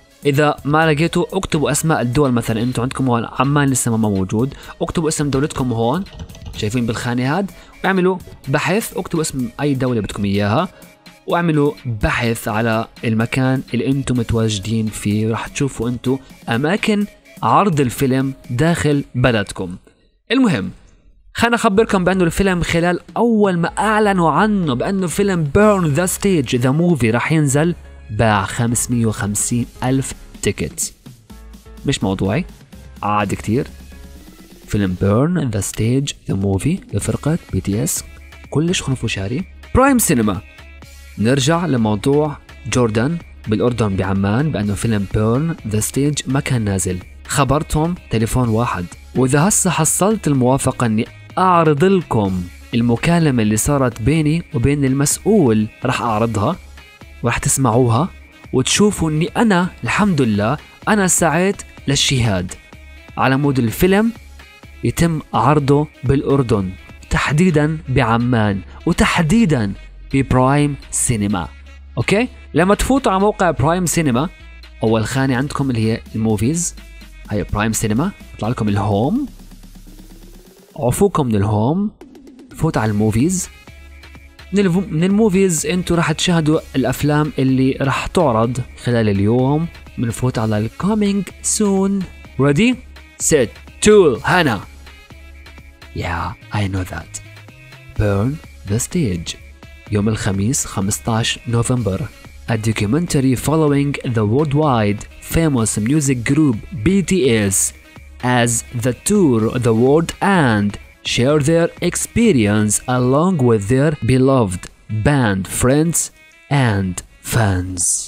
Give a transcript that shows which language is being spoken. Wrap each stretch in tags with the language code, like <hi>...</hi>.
<ar>اذا ما لقيتوا اكتبوا اسماء الدول، مثلا انتوا عندكم هون عمان لسه ما موجود، اكتبوا اسم دولتكم هون شايفين بالخانة هاد، واعملوا بحث، اكتبوا اسم اي دولة بدكم اياها واعملوا بحث على المكان اللي انتم متواجدين فيه، راح تشوفوا انتم اماكن عرض الفيلم داخل بلدكم. المهم خلنا اخبركم بانه الفيلم خلال اول ما اعلنوا عنه بانه فيلم Burn the Stage the movie راح ينزل، باع 550,000 تيكت. مش موضوعي، عاد كتير. فيلم Burn the Stage the movie لفرقة BTS كلش خنفشاري. برايم سينما. نرجع لموضوع جوردن بالأردن بعمان بأنه فيلم Burn the Stage ما كان نازل. خبرتهم تليفون واحد، وإذا هسا حصلت الموافقة أني أعرض لكم المكالمة اللي صارت بيني وبين المسؤول، رح أعرضها ورح تسمعوها وتشوفوا أني أنا الحمد لله أنا سعيت للشهاد على مود الفيلم يتم عرضه بالأردن، تحديدا بعمان وتحديدا ببرايم سينما. أوكي؟ لما تفوتوا على موقع برايم سينما، أول خانة عندكم اللي هي الموفيز، هي برايم سينما، يطلع لكم الهوم، عفوكم من الهوم، فوت على الموفيز. من الموفيز أنتوا راح تشاهدوا الأفلام اللي راح تعرض خلال اليوم. منفوت على الكومينج سون. ready set two هانا.</ar> <en>Yeah, I know that. Burn the Stage.</en> <ar>يوم الخميس 15 نوفمبر.</ar> <en>A documentary following the worldwide famous music group BTS as they tour the world and share their experience along with their beloved band friends and fans.</en>